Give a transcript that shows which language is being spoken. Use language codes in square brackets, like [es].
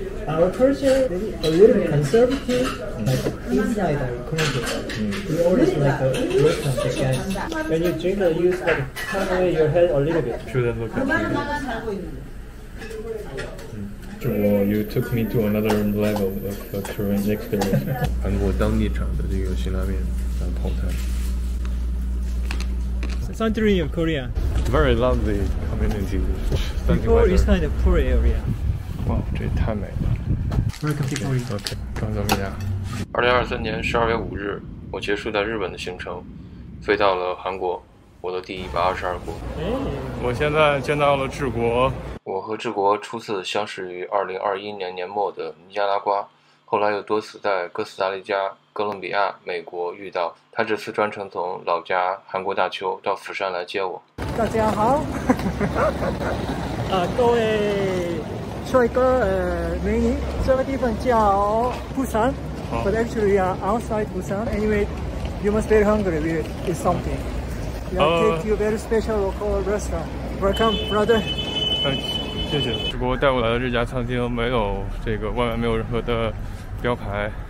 [en] Our culture a little bit conservative, but inside our community, we always like a restaurant to get. When you drink, you use like turn away your head a little bit. True, that look at you. Well, you took me to another level of Korean experience. [zh] 韩国当地产的这个辛拉面，泡菜。 [en] Centering of Korea. Very lovely community. Before it's kind of poor area. [zh] Wow, 这也太美了. [en] Welcome to Korea. [zh] Okay, 刚怎么样？ 2023年12月5日，我结束在日本的行程，飞到了韩国，我的第122国。我现在见到了治国。我和治国初次相识于2021年年末的尼加拉瓜，后来又多次在哥斯达黎加、哥伦比亚、美国遇到。他这次专程从老家韩国大邱到釜山来接我。大家好，各位帅哥、美女，这个地方叫釜山、， [en] but actually we are outside [zh] 釜山。 [en] Anyway, you must be hungry. We eat something. We will take you very special local restaurant. Welcome, brother. [zh] 谢谢。直播带我来的这家餐厅没有这个，外面没有任何的标牌。